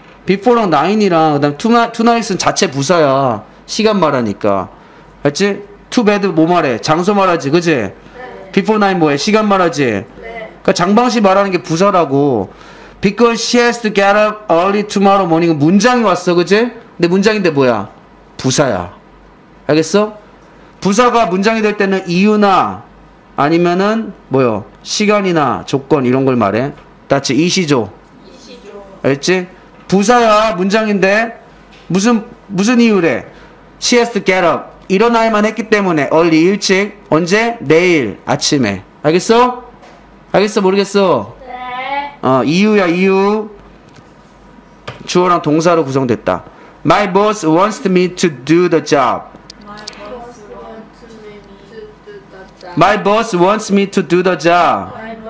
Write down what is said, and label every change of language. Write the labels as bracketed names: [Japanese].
[Korean] Before랑 9이랑, 그 다음 tonight은 자체 부사야. 시간 말하니까. 알지? To bed 뭐 말해? 장소 말하지, 그지? 네. Before 9 뭐해? 시간 말하지? 장방시 말하는 게 부사라고. [English] Because she has to get up early tomorrow morning. [Korean] 문장이 왔어, 그치? 근데 문장인데 뭐야? 부사야. 알겠어? 부사가 문장이 될 때는 이유나 아니면은 뭐요? 시간이나 조건 이런 걸 말해. 다치 이시죠? 이시죠. 알지? 부사야, 문장인데 무슨 이유래? [English] She has to get up. [Korean] 일어나야만 했기 때문에 early 일찍. 언제? 내일 아침에. 알겠어? 알겠어? 모르겠어? 네. 이유야, 이유. 주어랑 동사로 구성됐다. [English] My boss wants me to do the job. My boss wants me to do the job. My boss wants me to do the job. My boss wants me to do the job.